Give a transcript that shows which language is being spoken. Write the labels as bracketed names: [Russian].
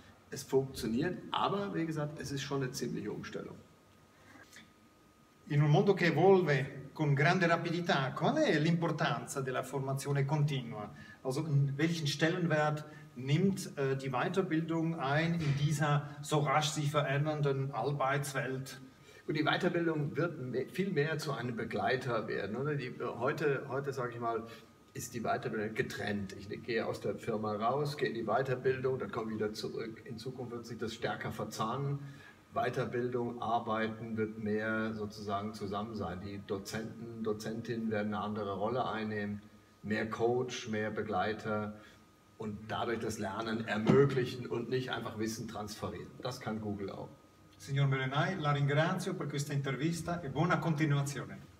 [German] Es funktioniert, aber wie gesagt, es ist schon eine ziemliche Umstellung. [Italian] In un mondo che evolve con grande rapidità, qual è l'importanza della formazione continua? [German] Also welchen Stellenwert nimmt die Weiterbildung ein in dieser so rasch sich verändernden Arbeitswelt? Und die Weiterbildung wird viel mehr zu einem Begleiter werden, oder? Heute sage ich mal, ist die Weiterbildung getrennt. Ich gehe aus der Firma raus, gehe in die Weiterbildung, dann komme ich wieder zurück. In Zukunft wird sich das stärker verzahnen. Weiterbildung, Arbeiten wird mehr sozusagen zusammen sein. Die Dozenten, Dozentinnen werden eine andere Rolle einnehmen. Mehr Coach, mehr Begleiter und dadurch das Lernen ermöglichen und nicht einfach Wissen transferieren. Das kann Google auch. [Italian] Signor Melenay, la ringrazio per questa intervista e buona continuazione.